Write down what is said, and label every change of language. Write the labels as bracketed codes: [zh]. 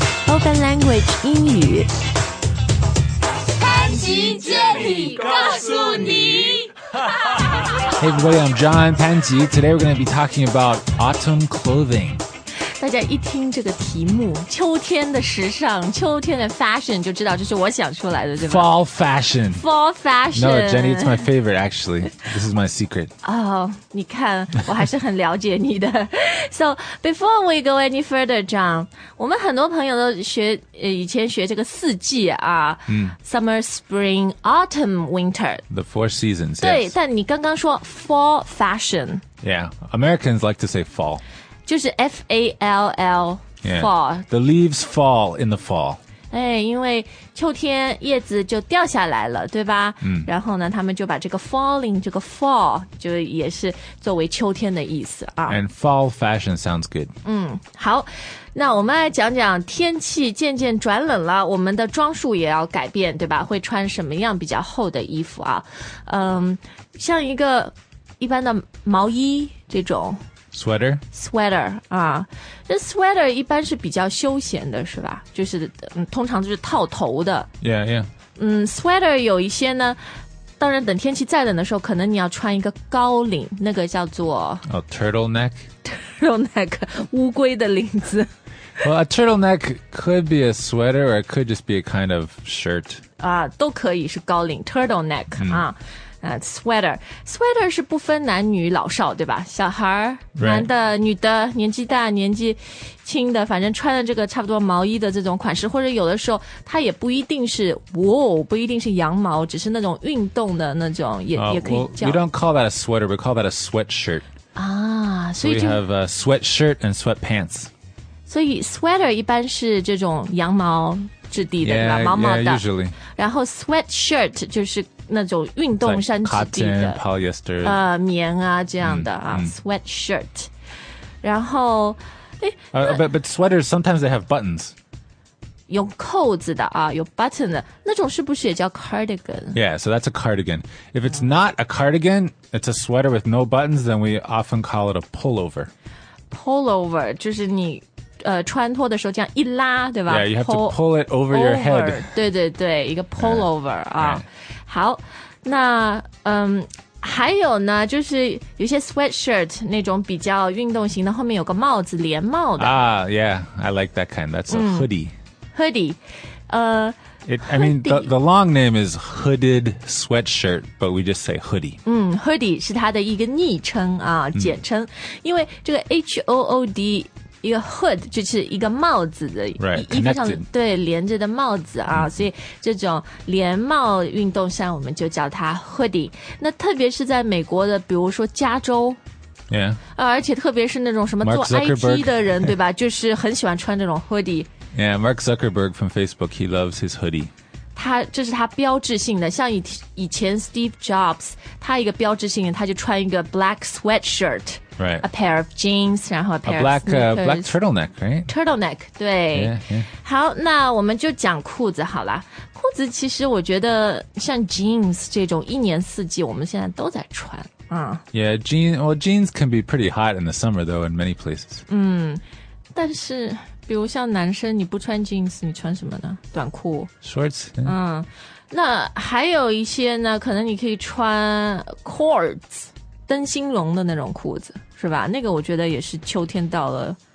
[zh] Open Language 英语，潘吉接力告诉你。 [en] Hey everybody, I'm John Panji. Today we're going to be talking about autumn clothing. [zh] 大家一听这个题目，秋天的时尚，秋天的 fashion 就知道这是我想出来的，对吧？ [en] Fall fashion. Fall fashion. No, Jenny, it's my favorite, actually. This is my secret. [zh] Oh, 你看，我还是很了解你的。 [en] So, before we go any further, John, [zh] 我们很多朋友都学、以前学这个四季啊、 [en] summer, spring, autumn, winter. The four seasons, [zh] 对、 [en] yes. [zh] 但你刚刚说 [en] fall fashion. Yeah, Americans like to say fall. [zh] 就是 F-A-L-L, fall.、 [en] Yeah. The leaves fall in the fall. [zh] 哎，因为秋天叶子就掉下来了，对吧？然后呢，他们就把这个 falling 这个 fall 就也是作为秋天的意思啊。 [en] And fall fashion sounds good. [zh] 好，那我们来讲讲天气渐渐转冷了，我们的装束也要改变，对吧？会穿什么样比较厚的衣服啊？像一个一般的毛衣这种 [en] sweater。 sweater 啊。 [zh] 这 sweater 一般是比较休闲的是吧，就是、通常就是套头的。 [en] Yeah, yeah. [zh] Sweater 有一些呢，当然等天气再冷的时候可能你要穿一个高领，那个叫做、 [en] turtleneck. [zh] Turtleneck, 乌龟的领子。 [en] Well, a turtleneck could be a sweater or it could just be a kind of shirt. [zh] 啊，都可以是高领 turtleneck,、啊。 [en] Sweater. [zh] Sweater 是不分男女老少对吧，小孩、男的女的，年纪大年纪轻的，反正穿的这个差不多毛衣的这种款式，或者有的时候它也不一定是不一定是羊毛，只是那种运动的那种 也可以叫。 [en] We don't call that a sweater, we call that a sweatshirt. So we have a sweatshirt and sweatpants. [zh] 所以 sweater 一般是这种羊毛质地的 [en] usually. [zh] 然后 sweatshirt 就是那种运动衫质地的、 [en] like、cotton, polyester, [zh] 棉啊这样的啊、sweatshirt 然后 [en] but sweaters sometimes they have buttons [zh] 有扣子的啊，有 button 的那种是不是也叫 cardigan? [en] Yeah, so that's a cardigan. If it's not a cardigan, it's a sweater with no buttons, then we often call it a pullover. [zh] Pullover 就是你穿脱的时候这样一拉对吧。 [en] Yeah, you have to pull it over your head. [zh] 对对对，一个 pullover、好，那还有呢，就是有些 sweatshirt 那种比较运动型的，后面有个帽子，连帽的。 [en] Yeah, I like that kind. That's a hoodie. Hoodie. I mean, the long name is hooded sweatshirt, but we just say hoodie. [zh] Hoodie 是它的一个昵称啊，简称。因为这个 H-O-O-D, 一个 hood 就是一个帽子的。 [en] Right, connected. [zh] 对，连着的帽子啊。所以这种连帽运动衫我们就叫它 hoodie。那特别是在美国的，比如说加州。 [en] Yeah. [zh] 而且特别是那种什么做 IT 的人，对吧，就是很喜欢穿这种 hoodie。 [en] Yeah, Mark Zuckerberg from Facebook, he loves his hoodie. [zh] 他这是他标志性的，像以前 Steve Jobs, 他一个标志性的，他就穿一个 black sweatshirt, [en] right? A pair of jeans, [zh] 然后 [en] a black sneakers,、 black turtleneck, right? [zh] Turtleneck, 对。 [en] Yeah, yeah. [zh] 好，那我们就讲裤子好了。裤子其实我觉得像 jeans 这种一年四季我们现在都在穿。 [en] Yeah, jeans can be pretty hot in the summer though in many places. [zh] 但是比如像男生你不穿 jeans 你穿什么呢，短裤 [en] shorts、 [zh] 那还有一些呢可能你可以穿 cords 灯芯绒的那种裤子是吧，那个我觉得也是秋天到了。